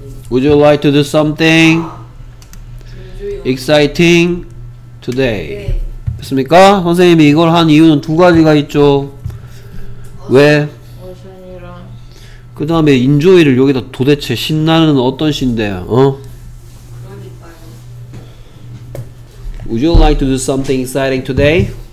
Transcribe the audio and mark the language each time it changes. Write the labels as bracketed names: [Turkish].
[English] Would you like to do something exciting today? [Korean] 네. 됐습니까? 선생님이 이걸 한 이유는 두 가지가 있죠. 왜? 오션이랑 그 다음에 인조이를 여기다 도대체 신나는 어떤 신데? 어? 그러니까요. [English] Would you like to do something exciting today?